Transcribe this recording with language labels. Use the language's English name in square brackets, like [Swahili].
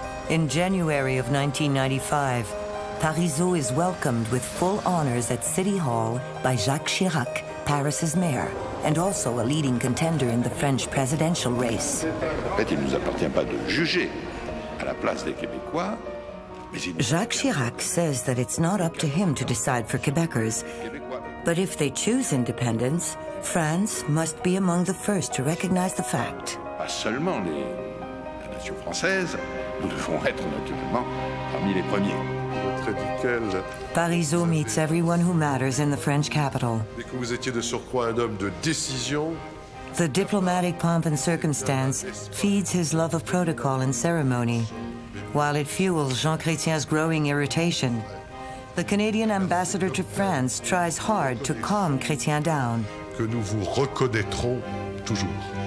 [English] In January of 1995, Parizeau is welcomed with full honors at City Hall by Jacques Chirac, Paris's mayor, and also a leading contender in the French presidential race. [French] En fait, il nous appartient pas de juger à la place des Québécois. [English] Jacques Chirac says that it's not up to him to decide for Quebecers. But if they choose independence, France must be among the first to recognize the fact. [French] Pas seulement les nations françaises, nous devons être naturellement parmi les premiers. [English] Parizeau meets everyone who matters in the French capital. [French] Et que vous étiez de surcroît un homme de décision. [English] The diplomatic pomp and circumstance feeds his love of protocol and ceremony. While it fuels Jean Chrétien's growing irritation, the Canadian ambassador to France tries hard to calm Chrétien down. [French] Que nous vous reconnaîtrons toujours.